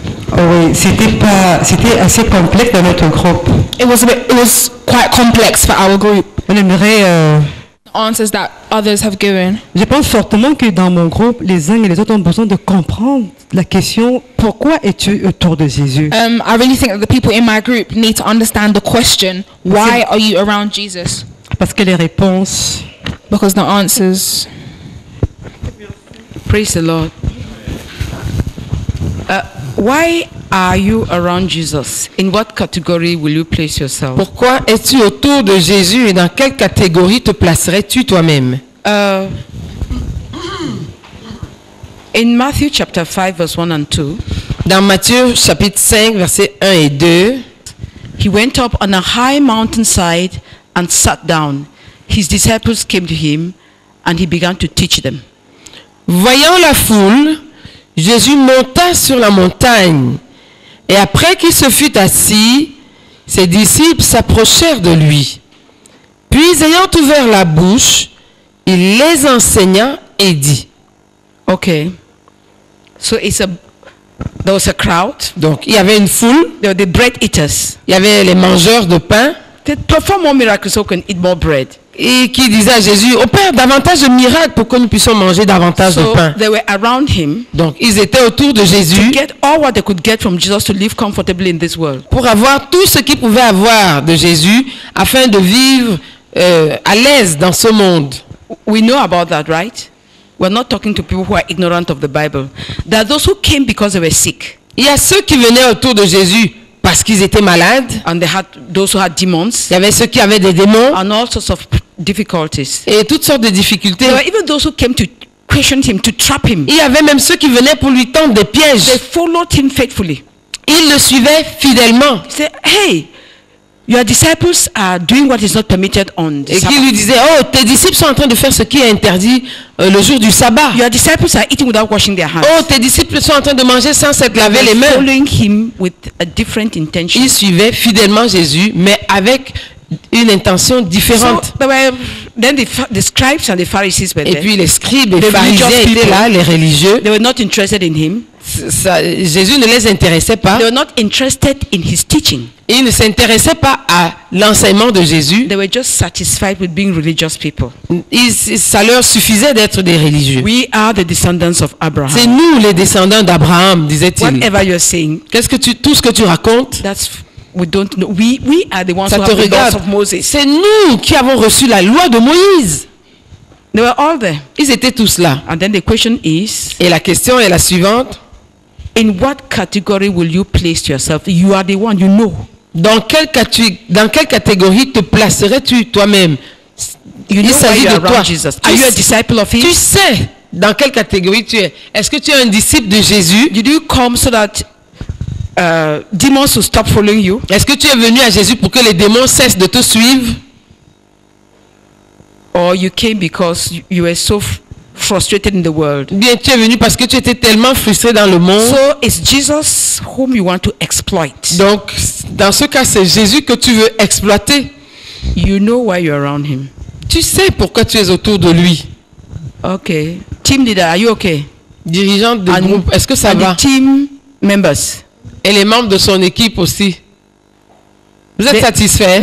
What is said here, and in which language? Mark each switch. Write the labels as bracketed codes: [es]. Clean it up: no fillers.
[fr] Oh oui, c'était assez complexe dans notre groupe. [en] It was quite complex for our group. [fr] On aimerait [en] answers that others have given. [fr] Je pense fortement que dans mon groupe, les uns et les autres ont besoin de comprendre la question pourquoi es-tu autour de Jésus? [en] I really think that the people in my group need to understand the question why are you around Jesus? [fr] Parce que les réponses. [en] Because the answers. Praise the Lord. Why are you around Jesus? In what category will you place yourself? [fr] Pourquoi es-tu autour de Jésus et dans quelle catégorie te placerais-tu toi-même? [en] In Matthew chapter 5 verse 1 and 2. [fr] Dans Matthieu chapitre 5 verset 1 et 2. [en] He went up on a high mountainside and sat down. His disciples came to him and he began to teach them. [fr] Voyant la foule, Jésus monta sur la montagne et après qu'il se fut assis, ses disciples s'approchèrent de lui. Puis ayant ouvert la bouche, il les enseigna et dit. [en] Ok. So it's a, there was a crowd. [fr] Donc il y avait une foule. [en] There were the bread eaters. [fr] Il y avait les mangeurs de pain. [en] They perform more miracles so we can eat more bread. [fr] Et qui disait à Jésus, opère davantage de miracles pour que nous puissions manger davantage [en] so [fr] de pain. [en] They were around him. [fr] Donc ils étaient autour de Jésus. [en] To get all what they could get from Jesus to live comfortably in this world. [fr] Pour avoir tout ce qu'ils pouvaient avoir de Jésus afin de vivre à l'aise dans ce monde. [en] We know about that, right? We're not talking to people who are ignorant of the Bible. There are those who came because they were sick. [fr] Il y a ceux qui venaient autour de Jésus parce qu'ils étaient malades. [en] And they had those who had demons. [fr] Il y avait ceux qui avaient des démons. [en] And all sorts of difficulties. [fr] Et toutes sortes de difficultés. [en] There were even those who came to question him, to trap him. [fr] Il y avait même ceux qui venaient pour lui tendre des pièges. [en] They followed him faithfully. [fr] Ils le suivaient fidèlement. [en] He said, hey, your disciples are doing what is not permitted on the [fr] Sabbath. Et qui lui disait, oh, tes disciples sont en train de faire ce qui est interdit le jour du sabbat. [en] Your disciples are eating without washing their hands. [fr] Oh, tes disciples sont en train de manger sans se laver les mains. [en] Following him with a different intention. [fr] Ils suivaient fidèlement Jésus, mais avec une intention différente. [en] So, then the scribes and the Pharisees were there. [fr] Et puis les scribes et les pharisiens étaient là, les religieux. [en] They were not interested in him. [fr] Jésus ne les intéressait pas. [en] They were not interested in his teaching. [fr] Ils ne s'intéressaient pas à l'enseignement de Jésus. [en] They were just satisfied with being religious people. [fr] Ça leur suffisait d'être des religieux. [en] We are the descendants of Abraham. [fr] C'est nous les descendants d'Abraham, disait-il. [en] Whatever you're saying. [fr] Qu'est-ce que tout ce que tu racontes? [en] That's we don't know. We are the ones who have the laws of Moses. [fr] C'est nous qui avons reçu la loi de Moïse. [en] They were all there. Ils étaient tous là. And then the question is. Et la question est la suivante. In what category will you place yourself? You are the one, you know. [fr] Dans quelle catégorie te placerais-tu toi-même? [en] You know, [fr] il s'agit de toi. [en] Jesus. Are you a disciple of him? [fr] Tu sais dans quelle catégorie tu es. Est-ce que tu es un disciple de Jésus? [en] Did you come so that demons will stop following you? [fr] Est-ce que tu es venu à Jésus pour que les démons cessent de te suivre? [en] Or you came because you were so frustrated in the world. [fr] Bien, tu es venu parce que tu étais tellement frustré dans le monde. [en] So it's Jesus whom you want to exploit. [fr] Donc, dans ce cas, c'est Jésus que tu veux exploiter. [en] You know why you're around him. [fr] Tu sais pourquoi tu es autour de lui. [en] Okay. Team leader, are you okay? [fr] Dirigeante de groupe, est-ce que ça va? [en] The team members. [fr] Et les membres de son équipe aussi. Vous êtes satisfaits?